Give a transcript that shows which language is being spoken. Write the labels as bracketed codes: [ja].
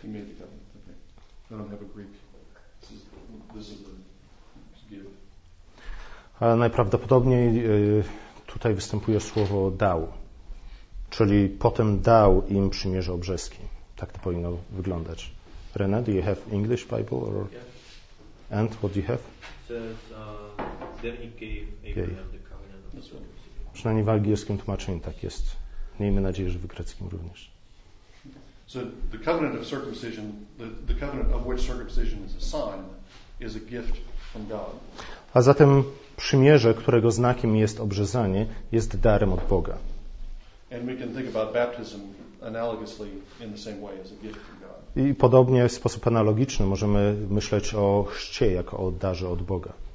[en] He made the covenant. Okay. I don't have a Greek. This is the gift. [pl] Najprawdopodobniej tutaj występuje słowo dał, czyli potem dał im przymierze obrzeskie. Tak to powinno wyglądać. [en] René, do you have English Bible? Or? Yeah. And what do you have? It says, then he gave Abraham the covenant. Okay. [pl] Przynajmniej w angielskim tłumaczeniu tak jest. Miejmy nadzieję, że w greckim również. [en] So the covenant of circumcision, the covenant of which circumcision is a sign, is a gift from God. [pl] A zatem przymierze, którego znakiem jest obrzezanie, jest darem od Boga. [en] And we can think about baptism analogously in the same way as a gift from God. [pl] I podobnie w sposób analogiczny możemy myśleć o chrzcie jako o darze od Boga.